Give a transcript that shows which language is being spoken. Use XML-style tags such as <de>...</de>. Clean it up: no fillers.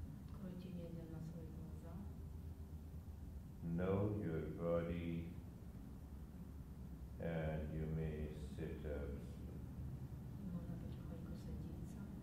<ru>Откройте медленно свои глаза.</ru> <en>Know your body, and you may sit up.</en> <ru>Можно потихоньку садиться.</ru>